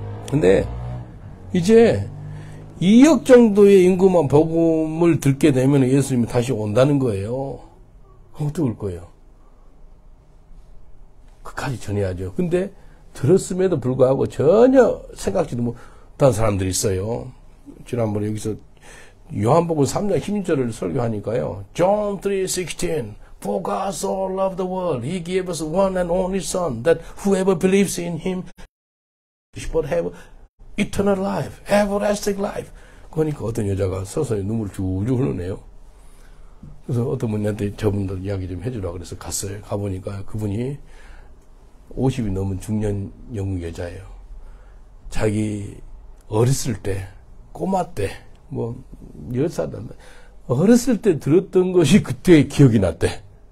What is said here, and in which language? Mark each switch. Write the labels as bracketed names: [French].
[Korean] 근데 이제 2억 정도의 인구만 복음을 듣게 되면 예수님이 다시 온다는 거예요. 어떻게 올 거예요? 그까지 전해야죠. 근데 들었음에도 불구하고 전혀 생각지도 못한 사람들이 있어요. 지난번에 여기서 요한복음 3장 16절을 설교하니까요. [English] John 3:16. For God so loved the world, He gave us one and only Son, that whoever believes in Him should have eternal life, everlasting life. [Korean] 그러니까 어떤 여자가 서서히 눈물을 주주 흘러내요. 그래서 어떤 분한테 저분들 이야기 좀 해주라 그래서 갔어요. 가보니까 그분이 50이 넘은 중년 영국 여자예요. 자기 어렸을 때, 꼬마 때, 뭐 10살인데 어렸을 때 들었던 것이 그때 기억이 났대.